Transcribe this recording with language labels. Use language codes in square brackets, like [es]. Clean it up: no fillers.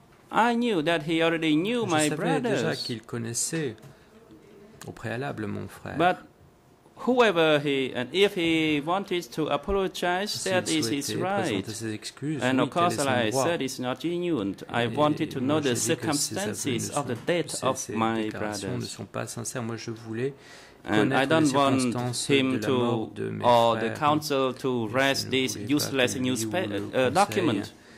[en] I knew that he already knew my brothers. [fr] Je savais déjà qu'il connaissait au préalable mon frère. [en] But whoever he and if he wanted to apologize, that is his right. [fr] Excuses, [en] and of course, I said it's not genuine. I wanted to know the circumstances of the death of my brothers. [fr] Ne sont pas sincères. Moi, je voulais. [en] And I don't want him to or the council to rest this useless newspaper document.